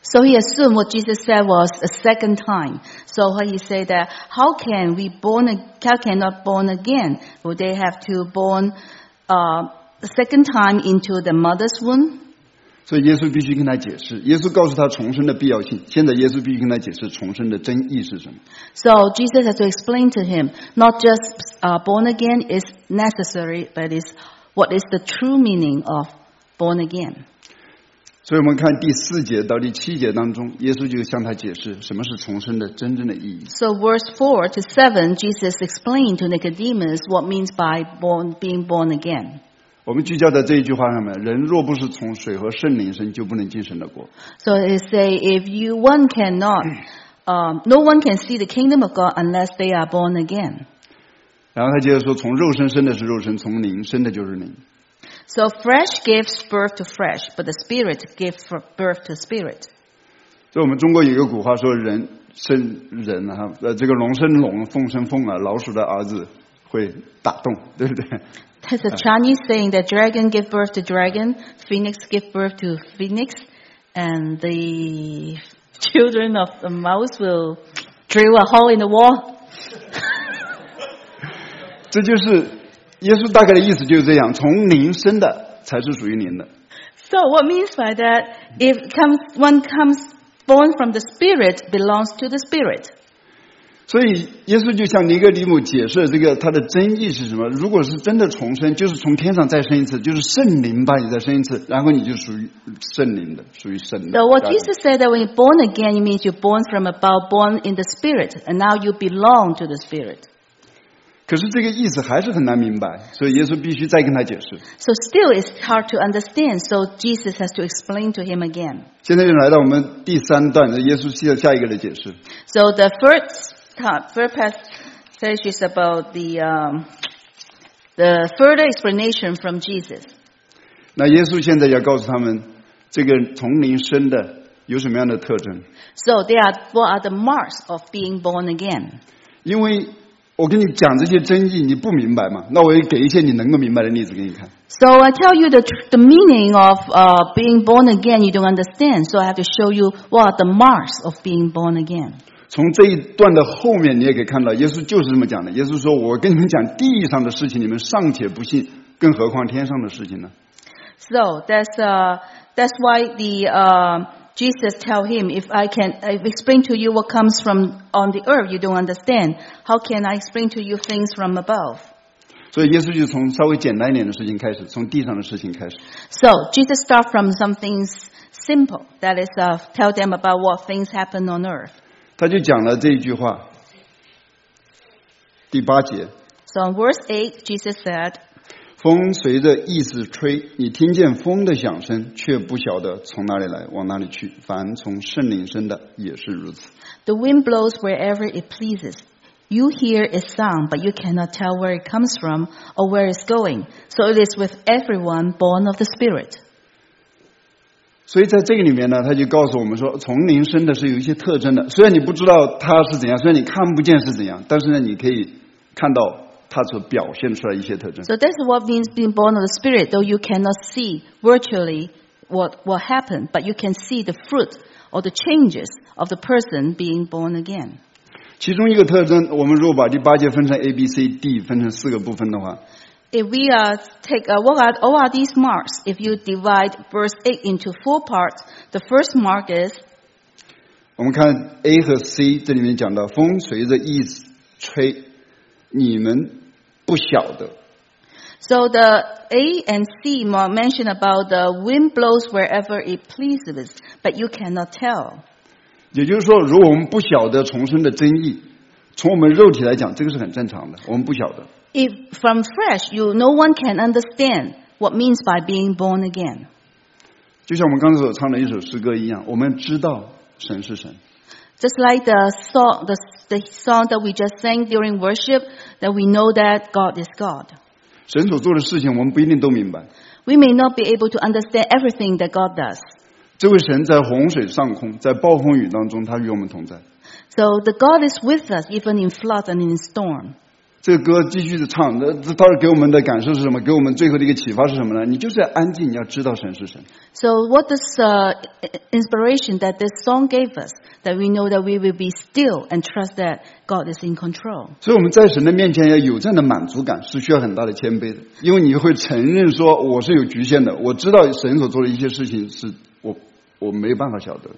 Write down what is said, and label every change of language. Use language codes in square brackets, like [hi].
[en] So he assumed what Jesus said was a second time. So he said that how can not born again? Would they have to born a second time into the mother's womb? [zh] 所以耶稣必须跟他解释，耶稣告诉他重生的必要性，现在耶稣必须跟他解释重生的真意是什么。 [en] So Jesus has to explain to him not just born again is necessary, but is what is the true meaning of born again. [zh] 所以我们看第四节到第七节当中，耶稣就向他解释什么是重生的真正的意义。 [en] So verse 4 to 7 Jesus explained to Nicodemus what means by being born again. [zh] 我们聚焦在这一句话上面，人若不是从水和圣灵生，就不能进神的国。 [en] So they say, no one can see the kingdom of God unless they are born again. [zh] 然后他接着说，从肉身生的是肉身，从灵生的就是灵。 [en] So flesh gives birth to flesh, but the spirit gives birth to spirit. [zh] 就我们中国有一个古话说，人生人啊，这个龙生龙，凤生凤啊，老鼠的儿子会打洞，对不对？ [en] There's a Chinese saying that dragon give birth to dragon, phoenix give birth to phoenix, and the children of the mouse will drill a hole in the wall. [zh] 这就是耶稣大概的意思，就是这样，从灵生的才是属于灵的。 [en] So what means by that? One comes born from the spirit belongs to the spirit. [zh] 所以耶稣就向尼哥底母解释这个他的真意是什么，如果是真的重生，就是从天上再生一次，就是圣灵把你再生一次，然后你就属于圣灵的，属于圣灵的。 [en] So what Jesus said that when you're born again, it means you're born from above, born in the Spirit, and now you belong to the Spirit. [zh] 可是这个意思还是很难明白，所以耶稣必须再跟他解释。 [en] So still it's hard to understand, so Jesus has to explain to him again. [zh] 现在就来到我们第三段，耶稣需要下一个的解释。 [en] So the first passage is about the further explanation from Jesus. [zh] 那耶稣现在要告诉他们，这个从灵生的有什么样的特征 [en] ？So there are what are the marks of being born again? [zh] 因为我跟你讲这些真意，你不明白嘛？那我也给一些你能够明白的例子给你看。 [en] So I tell you the meaning of being born again. You don't understand, so I have to show you what are the marks of being born again. [zh] 从这一段的后面你也可以看到耶稣就是这么讲的，耶稣说我跟你们讲地上的事情你们尚且不信，更何况天上的事情呢。 [en] So that's why the Jesus tell him, if I can explain to you what comes from on the earth you don't understand, how can I explain to you things from above? [zh] 所以耶稣就从稍微简单一点的事情开始，从地上的事情开始。 [en] So Jesus start from some things simple, that is tell them about what things happen on earth. [zh] 他就讲了这一句话，第八节。 [en] So in verse 8, Jesus said, [zh] 风随着意思吹，你听见风的响声，却不晓得从哪里来，往哪里去。凡从圣灵生的也是如此。 [en] The wind blows wherever it pleases. You hear its sound, but you cannot tell where it comes from or where it's going. So it is with everyone born of the Spirit. [zh] 所以在这个里面呢，他就告诉我们说，从灵生的是有一些特征的。虽然你不知道他是怎样，虽然你看不见是怎样，但是呢，你可以看到他所表现出来一些特征。 [en] So that's what means being born of the Spirit, though you cannot see virtually what happened, but you can see the fruit or the changes of the person being born again. [zh] 其中一个特征，我们如果把第八节分成 A、B、C、D 分成四个部分的话。 [en] If we what are these marks? If you divide verse 8 into four parts, the first mark is. [zh] 我们看 A 和 C 这里面讲到风随着意思吹，你们不晓得。 [en] So the A and C mention about the wind blows wherever it pleases, but you cannot tell. [zh] 也就是说，如果我们不晓得重生的真意，从我们肉体来讲，这个是很正常的，我们不晓得。 [en] If from fresh, you, no one can understand what means by being born again. [zh] 就像我们刚才所唱的一首诗歌一样，我们知道神是神。 [en] Just like the song that we just sang during worship, that we know that God is God. [zh] 神所做的事情，我们不一定都明白。 [en] We may not be able to understand everything that God does. [zh] 这位神在洪水上空，在暴风雨当中，他与我们同在。 [en] So the God is with us even in flood and in storm. [zh] 这个歌继续的唱，那到底给我们的感受是什么？给我们最后的一个启发是什么呢？你就是要安静，你要知道神是神。 [en] So what is inspiration that this song gave us? That we know that we will be still and trust that God is in control. [zh] 所以我们在神的面前要有这样的满足感，是需要很大的谦卑的，因为你会承认说我是有局限的，我知道神所做的一些事情是我没办法晓得。